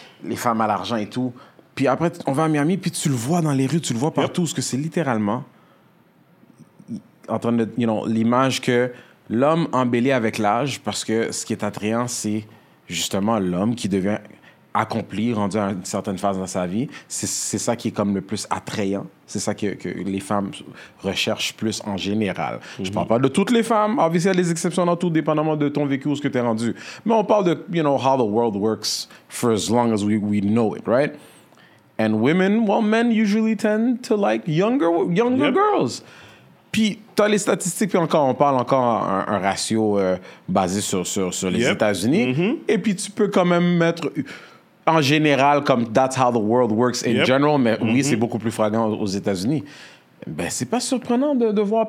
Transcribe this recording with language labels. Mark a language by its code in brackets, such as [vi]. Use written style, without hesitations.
[fr] Les femmes à l'argent et tout. Puis après, on va à Miami, puis tu le vois dans les rues, tu le vois partout, yep. Parce que c'est littéralement en train de, [en] you know, [fr] l'image que l'homme embellit avec l'âge, parce que ce qui est attrayant, c'est justement l'homme qui devient accompli, rendu à une certaine phase dans sa vie. C'est ça qui est comme le plus attrayant. C'est ça que les femmes recherchent plus en général. Mm-hmm. Je parle pas de toutes les femmes. Obviously, il y a des exceptions dans tout, dépendamment de ton vécu ou ce que t'es rendu. Mais on parle de, [en] you know, how the world works for as long as we know it, right? And women, well, men usually tend to like younger yep. girls. [fr] Puis, t'as les statistiques, puis encore, on parle encore un ratio basé sur les yep. États-Unis. Mm-hmm. Et puis, tu peux quand même mettre, en général, comme [en] that's how the world works in [fr] yep. [en] general, [fr] mais mm-hmm. oui, c'est beaucoup plus fréquent aux États-Unis. Ben, c'est pas surprenant de voir.